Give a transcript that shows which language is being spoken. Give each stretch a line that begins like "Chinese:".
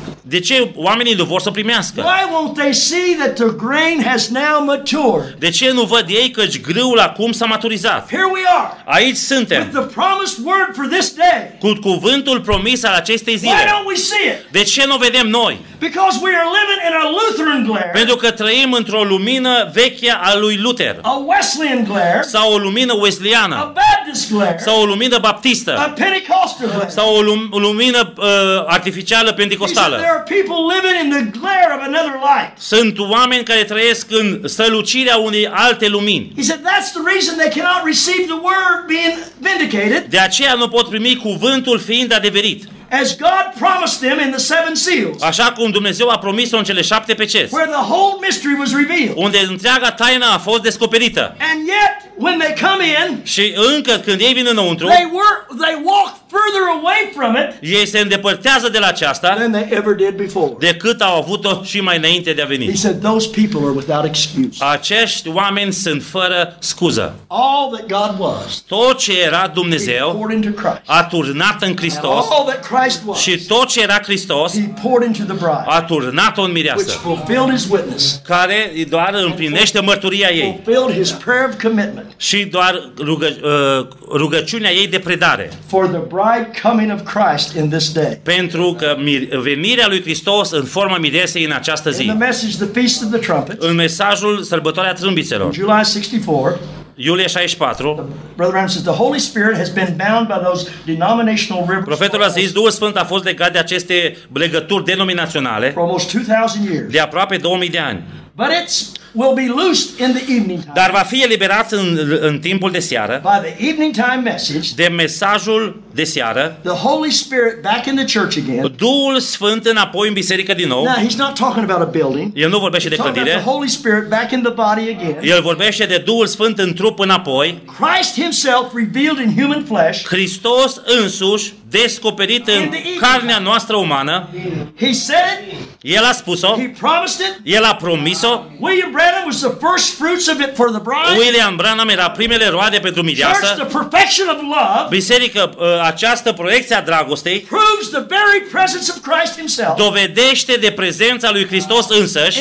Romanian: De ce oamenii nu vor să primească?
English: Why won't they see that the grain has now matured?
Romanian: De ce nu văd ei că grâul acum s-a maturizat?
English: Here we are.
Romanian: Aici suntem.
English: With the promised word for this day.
Romanian: Cu cuvântul promis al acestei zile.
English: Why don't we see it?
Romanian: De ce nu vedem noi?
English: Because we are living in a Lutheran glare.
Romanian: Pentru că trăim într-o lumină veche a lui Luther.
English: A Wesleyan glare.
Romanian: Sau o lumină wesleyană.
English: A Baptist glare.
Romanian: Sau o lumină baptistă.
English: A Pentecostal glare.
Romanian: Sau o lumină artificială pentecostală.
English: There are people living in the glare of another light.
Romanian: Sunt oameni care trăiesc în strălucirea unei alte lumini.
English: He said that's the reason they cannot receive the word being vindicated.
Romanian: De aceea nu pot primi cuvântul fiind adeverit.
English: As God promised them in the seven seals.
Romanian: Așa cum Dumnezeu a promis-o în cele șapte peceți.
English: Where the whole mystery was revealed.
Romanian: Unde întreaga taină a fost descoperită.
English: And yet when they come in.
Romanian: Și încă când ei vin înăuntru.
English: They walk further away from it.
Romanian: Ei se îndepărtează de la aceasta.
English: Than they ever did before.
Romanian: Decât au avut-o și mai înainte de a veni.
English: He said those people are without excuse.
Romanian: Acești oameni sunt fără scuză.
English: All that God was.
Romanian: Tot ce era Dumnezeu.
English: Poured into Christ.
Romanian: A turnat în Hristos.
English: All that Christ was.
Romanian: Și tot ce era Hristos.
English: He poured into the bride.
Romanian: A turnat-o în mireasă.
English: Which fulfilled his witness.
Romanian: Care doar împlinește mărturia ei.
English: Fulfilled his prayer of commitment.
Romanian: Și doar rugăciunea ei de predare.
English: For the bride coming of Christ in this day.
Romanian: Pentru că venirea lui Hristos în forma miresei în această zi.
English: In the message, the feast of the trumpets.
Romanian: În mesajul sărbătoarea trâmbițelor.
English: July 64.
Romanian: Iulie 64.
English: Brother Branham says the Holy Spirit has been bound by those denominational rivers.
Romanian: Profetul a zis, Duhul Sfânt a fost legat de aceste legături denominaționale.
English: For almost 2000 years.
Romanian: De aproape 2000 de ani.
English: But it will be loosed in the evening time.
Romanian: Dar va fi eliberat în timpul de seară.
English: By the evening time message.
Romanian: De mesajul de seară.
English: The Holy Spirit back in the church again.
Romanian: Duhul Sfânt înapoi în biserică din nou.
English: Now he's not talking about a building.
Romanian: El nu vorbește de clădire.
English: The Holy Spirit back in the body again.
Romanian: El vorbește de Duhul Sfânt în trup înapoi.
English: Christ himself revealed in human flesh.
Romanian: Hristos însuși descoperit în carnea noastră umană.
English: He said.
Romanian: El a spus-o.
English: He promised it.
Romanian: El a promis-o.
English: William Branham was the first fruits of it for the bride.
Romanian: William Branham era primele roade pentru mireasă.
English: Church, the perfection of love.
Romanian: Biserică, această proiecție a dragostei.
English: Proves the very presence of Christ himself.
Romanian: Dovedește de prezența lui Hristos însăși.